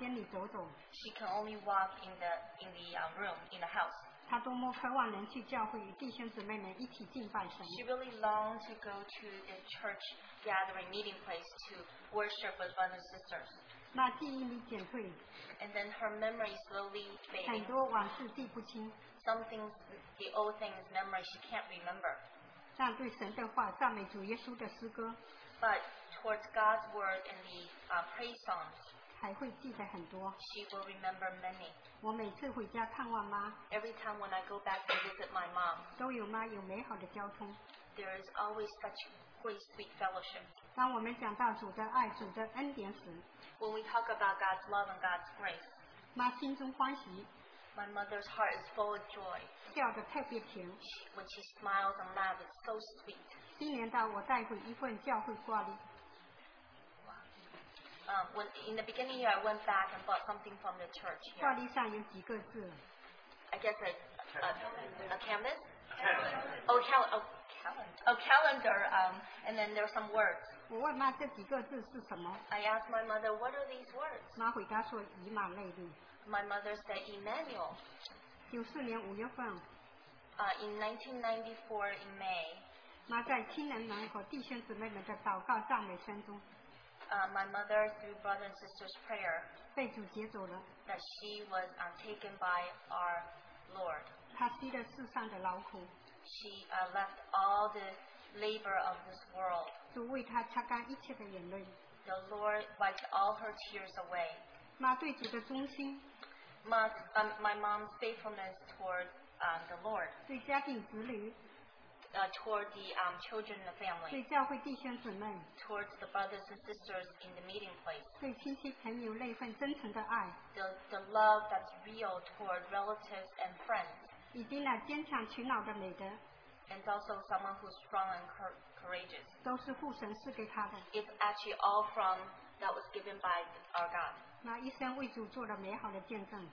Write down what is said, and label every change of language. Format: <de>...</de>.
<en>She can only walk in the room in the house.</en> <zh>她多么渴望能去教会与弟兄姊妹们一起敬拜神。</zh> <en>She really longed to go to the church gathering meeting place to worship with brothers and sisters.</en> <zh>那记忆力减退,</zh> <en>and then her memory slowly fading.</en> <zh>很多往事记不清,</zh> <en>some things, the old things, memory she can't remember.</en> <zh>但对神的话,赞美主耶稣的诗歌,</zh> <en>but towards God's word and the praise songs,</en> <zh>还会记得很多,</zh> <en>she will remember many.</en> <zh>我每次回家探望妈,</zh> <en>every time when I go back to visit my mom,</en> <zh>都有妈有美好的交通,</zh> <en>there is always such great sweet fellowship.</en> <zh>当我们讲到主的爱, 主的恩典时,</zh> <en>when we talk about God's love and God's grace,</en> <zh>妈心中欢喜,</zh> <en>my mother's heart is full of joy.</en> <zh>笑得特别甜,</zh> <en>when she smiles and laughs, it's so sweet.</en> <zh>今年到我带回一份教会挂历,</zh> <en>when, in the beginning year, I went back and bought something from the church here.</en> <zh>挂历上有几个字?</zh> <en>I guess a canvas? Calendar. And then there are some words.</en> <zh>我问妈这几个字是什么?</zh> <en>I asked my mother, what are these words?</en> <zh>妈回答说, 以马内利。</zh> <en>My mother said, Emmanuel.</en> <zh>94年5月份,</zh> <en>in 1994, in May,</en> <zh>妈在亲人们和弟兄姊妹们的祷告赞美声中,</zh> <en>my mother, through brother and sister's prayer,</en> <zh>被主接走了,</zh> <en>that she was taken by our Lord.</en> <zh>她吸了世上的劳苦,</zh> <en>she left all the labor of this world.</en> <zh>主为她擦干一切的眼泪,</zh> <en>the Lord wiped all her tears away.</en> <zh>妈对主的忠心,</zh> <en>my mom's faithfulness toward the Lord.</en> <zh>对家庭子女,</zh> <en>toward the children and the family,</en> <zh>对教会弟兄姊妹,</zh> <en>towards the brothers and sisters in the meeting place,</en> <zh>对亲戚朋友那份真诚的爱,</zh> <en>the love that's real toward relatives and friends,</en> <zh>以及那坚强勤劳的美德,</zh> <en>and also someone who's strong and courageous,</en> <zh>都是父神赐给他的,</zh> <en>it's actually all from that was given by our God.</en> <zh>那一生为主做了美好的见证,</zh>